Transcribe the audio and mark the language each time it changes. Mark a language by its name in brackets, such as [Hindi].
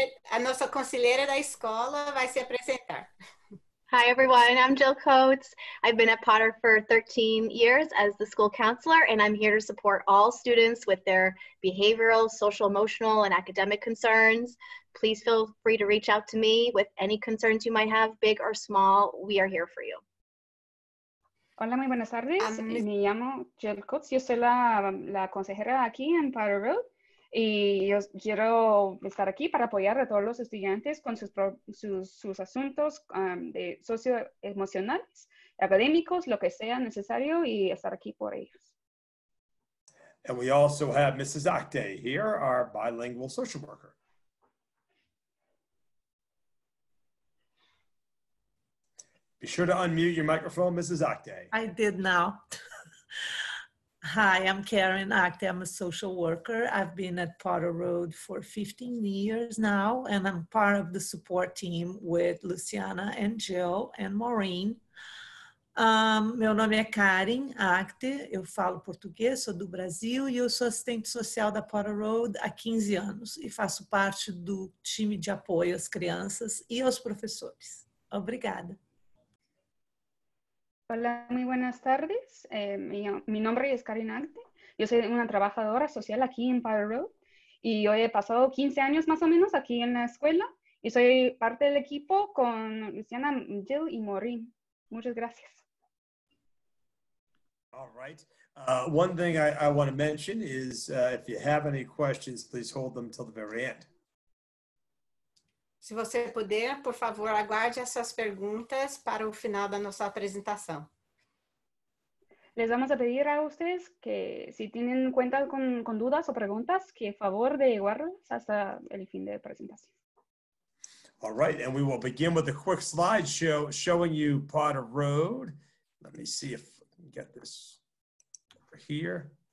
[Portuguese] A nossa conselheira da escola vai se apresentar. [English] Hi, everyone. I'm Jill Coates. I've been at Potter for 13 years as the school counselor, and I'm here to support all students with their behavioral, social, emotional, and academic concerns. Please feel free to reach out to me with any concerns you might have, big or small. We are here for you. [Spanish] Hola, muy buenas tardes. Me llamo Jill Coates. Yo soy la consejera aquí en Potter Road. Y yo quiero estar aquí para apoyar a todos los estudiantes con sus asuntos de socioemocionales, académicos, lo que sea necesario, y estar aquí por ellos. [English] And we also have Mrs. Akte here, our bilingual social worker. Be sure to unmute your microphone, Mrs. Akte. I did now. Hi, I'm Karen Akte. I'm a social worker. I've been at Potter Road for 15 years now, and I'm part of the support team with Luciana and Jill and Maureen. [Portuguese] Meu nome é Karen Akte. Eu falo português, sou do Brasil, e eu sou assistente social da Potter Road há 15 anos e faço parte do time de apoio às crianças e aos professores. Obrigada. [Spanish] Hola, muy buenas tardes. Mi nombre es Karen Akte. Yo soy una trabajadora social aquí en Powder Road. Y yo he pasado 15 años más o menos aquí en la escuela. Y soy parte del equipo con Luciana, Jill y Maureen. Muchas gracias. [English] All right. One thing I want to mention is if you have any questions, please hold them till the very end. [Portuguese] Se você puder, por favor, aguarde essas perguntas para o final da nossa apresentação. [Spanish] Les vamos a pedir a ustedes que, si tienen cuenta con dudas o preguntas, que favor de guardarlas hasta el fin de la presentación. [English] All right, and we will begin with a quick slideshow showing you Potter Road. Let me see if I can get this over here.